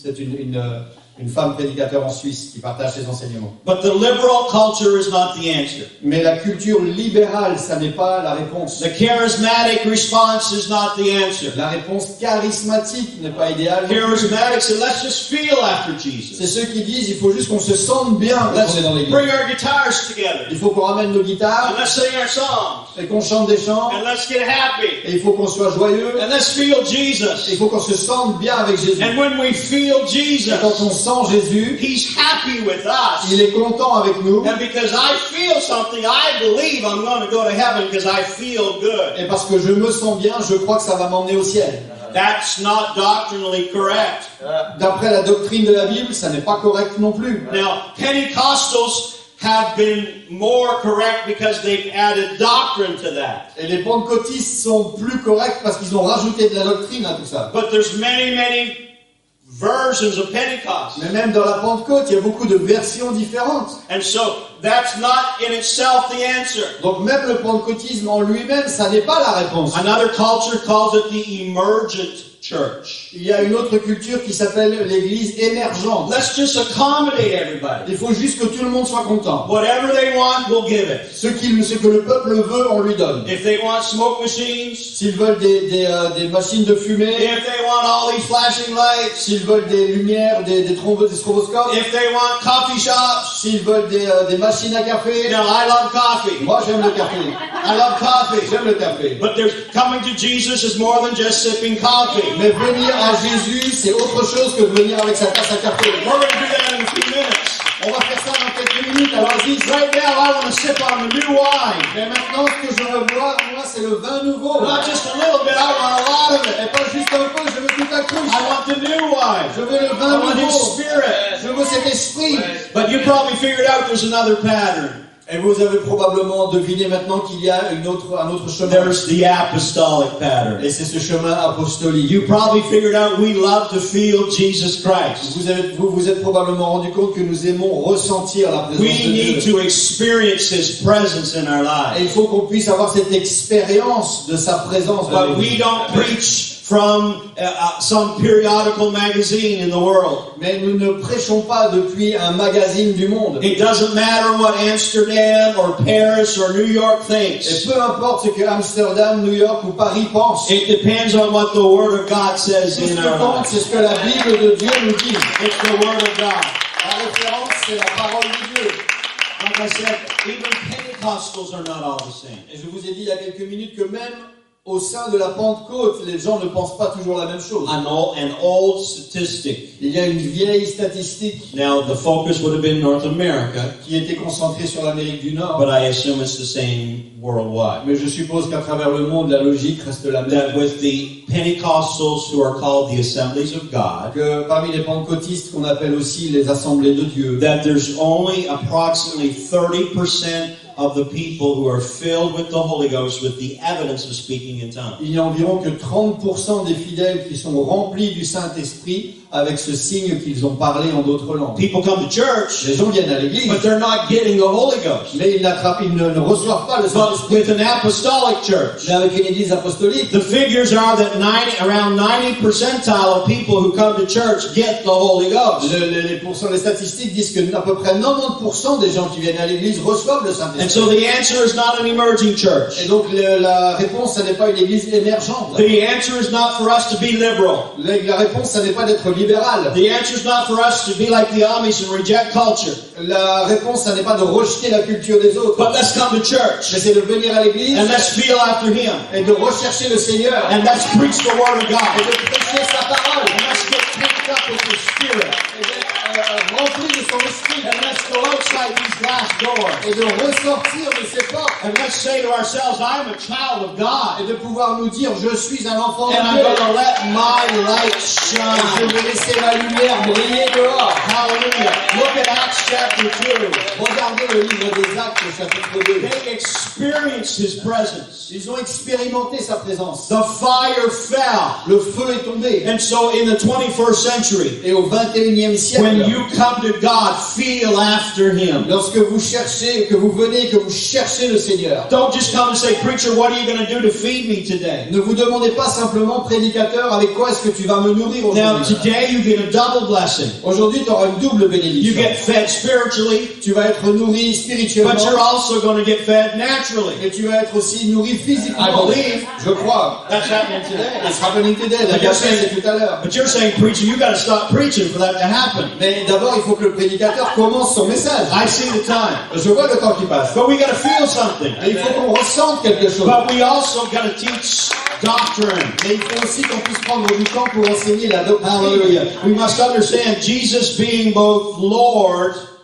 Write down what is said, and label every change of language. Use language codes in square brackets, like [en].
[fr] C'est une femme prédicateur en Suisse qui partage ses enseignements. [en] But the liberal culture is not the answer. [fr] Mais la culture libérale, ça n'est pas la réponse. [en] The charismatic response is not the answer. [fr] La réponse charismatique n'est pas idéale. [en] Charismatics, let's just feel after Jesus. [fr] C'est ceux qui disent, il faut juste qu'on se sente bien. [en] Let's [fr] dans l'église. [en] Bring our guitars together. [fr] Il faut qu'on ramène nos guitares. [en] And let's sing our songs. [fr] Et qu'on chante des chants. [en] And let's get happy. [fr] Et il faut qu'on soit joyeux. [en] And let's feel Jesus. [fr] Il faut qu'on se sente bien avec Jésus. [en] And when we feel Jesus. [fr] Et quand on sans Jésus, [en] he's happy with us. [fr] Il est content avec nous. [en] And because I feel something, I believe I'm going to go to heaven because I feel good. [fr] Et parce que je me sens bien, je crois que ça va m'emmener au ciel. [en] That's not doctrinally correct. [fr] D'après la doctrine de la Bible, ça n'est pas correct non plus. [en] Now, Pentecostals have been more correct because they've added doctrine to that. [fr] Et les pentecôtistes sont plus corrects parce qu'ils ont rajouté de la doctrine à tout ça. [en] But there's many versions of Pentecost. [fr] Mais même dans la Pentecôte, il y a beaucoup de versions différentes. [en] And so, that's not in itself the answer. [fr] Donc même le pentecôtisme en lui-même, ça n'est pas la réponse. [en] Another culture calls it the emergent church. [fr] Il y a une autre culture qui s'appelle l'église émergente. [en] Let's just accommodate everybody. [fr] Il faut juste que tout le monde soit content. [en] Whatever they want, we'll give it. [fr] Ce que le peuple veut, on lui donne. [en] If they want smoke machines, [fr] s'ils veulent des machines de fumée, [en] if they want all these flashing lights, [fr] s'ils veulent des lumières, des trombes, des stroboscopes, [en] if they want coffee shops, [fr] s'ils veulent des machines à café, [en] no, I love coffee. [fr] Moi j'aime le café. [en] I love coffee. [fr] J'aime le café. [en] But there's coming to Jesus is more than just sipping coffee. [fr] Mais venir à Jésus, c'est autre chose que venir avec sa tasse à café. [en] We're gonna do that in a few minutes. [fr] On va faire ça dans quelques minutes. [en] Alors, he's right now, I want to sip on the new wine. [fr] Mais maintenant, ce que je veux boire, moi, c'est le vin nouveau. [en] Not just a little bit, I want a lot of it. [fr] Et pas juste un peu, je veux tout à coup. [en] I want the new wine. [fr] Je veux le vin nouveau. [en] I want his spirit. [fr] Je veux cet esprit. [en] But you probably figured out there's another pattern. [fr] Et vous avez probablement deviné maintenant qu'il y a un autre chemin. [en] There's the apostolic pattern. [fr] Et c'est ce chemin apostolique. [en] You probably figured out we love to feel Jesus Christ. [fr] Vous êtes probablement rendu compte que nous aimons ressentir la présence [en] we [fr] de Dieu. [en] We need to experience His presence in our lives. [fr] Et il faut qu'on puisse avoir cette expérience de sa présence dans nos vies. [en] But we don't preach from some periodical magazine in the world. [fr] Mais nous ne prêchons pas depuis un magazine du monde. [en] It doesn't matter what Amsterdam or Paris or New York thinks. [fr] Et peu importe ce que Amsterdam, New York ou Paris pensent. [en] It depends on what the Word of God says in our lives. [fr] C'est ce que la Bible de Dieu nous dit. [en] It's the Word of God. [fr] La référence, c'est la parole de Dieu. [en] Like I said, even Pentecostals are not all the same. [fr] Et je vous ai dit il y a quelques minutes que même au sein de la Pentecôte, les gens ne pensent pas toujours la même chose. [en] An old statistic. [fr] Il y a une vieille statistique. [en] Now, the focus would have been North America, [fr] qui était concentrée sur l'Amérique du Nord. [en] But I assume it's the same worldwide. [fr] Mais je suppose qu'à travers le monde, la logique reste la même. [en] That with the Pentecostals who are called the Assemblies of God, [fr] que parmi les pentecôtistes qu'on appelle aussi les Assemblées de Dieu, [en] that there's only approximately 30% of the people who are filled with the Holy Ghost with the evidence of speaking in tongues. [fr] Il n'y a environ que 30% des fidèles qui sont remplis du Saint-Esprit avec ce signe qu'ils ont parlé en d'autres langues. [en] People come to church, [fr] les gens viennent à l'église, [en] but they're not getting the Holy Ghost. [fr] Mais ils ne reçoivent pas le Saint-Esprit. [en] But with an apostolic church, [fr] mais avec une église apostolique, [en] the figures are that around 90% of people who come to church get the Holy Ghost. [fr] Les statistiques disent que à peu près 90% des gens qui viennent à l'église reçoivent le Saint-Esprit. [en] And so the answer is not an emerging church. [fr] Et donc la réponse, ça n'est pas une église émergente. [en] The answer is not for us to be liberal. [fr] La réponse, ça n'est pas d'être libéral. [en] The answer is not for us to be like the Amish and reject culture. [fr] La réponse, ça n'est pas de rejeter la culture des autres. [en] But let's come to church. [fr] Mais c'est de venir à l'église. [en] And let's feel after Him. [fr] Et de rechercher le Seigneur. [en] And let's preach the Word of God. [fr] Et de prêcher sa parole. [en] And let's get picked up with the Spirit. [fr] Et d'être rempli de son esprit. [en] And let's go outside these lines. past doors. [fr] Et de ressortir de ces portes. [en] And let's say to ourselves, I'm a child of God. [fr] Et de pouvoir nous dire, je suis un enfant de Dieu. [en] And I'm going to let my light shine. [fr] Je vais laisser ma lumière briller dehors. [en] Hallelujah. Look at Acts chapter 2. [fr] Regardez le livre des Actes, chapitre 2. [en] They experienced his presence. [fr] Ils ont expérimenté sa présence. [en] The fire fell. [fr] Le feu est tombé. [en] And so in the 21st century, [fr] et au 21e siècle, [en] when you come to God, feel after him. [fr] Lorsque vous cherchez, que vous venez, que vous cherchez le Seigneur. [en] Don't just come and say, preacher, what are you going to do to feed me today? [fr] Ne vous demandez pas simplement, prédicateur, avec quoi est-ce que tu vas me nourrir aujourd'hui? [en] Now, today you get a double blessing. [fr] Aujourd'hui, tu auras une double bénédiction. [en] You get fed spiritually. [fr] Tu vas être nourri spirituellement. [en] But you're also going to get fed naturally. [fr] Et tu vas être aussi nourri physiquement. [en] I believe. [fr] Je crois. [en] That's happening today. It's happening today. But you're saying, preacher, you got to stop preaching for that to happen. [fr] Mais d'abord, il faut que le prédicateur commence son message. [en] I see the time. [fr] Je vois le temps qui passe. [en] But we got to feel something. [fr] Et il faut qu'on ressente quelque chose. [en] But we also got to teach doctrine. [fr] Et il faut aussi qu'on puisse prendre du temps pour enseigner la doctrine. [en] Hallelujah. We must understand Jesus being both Lord.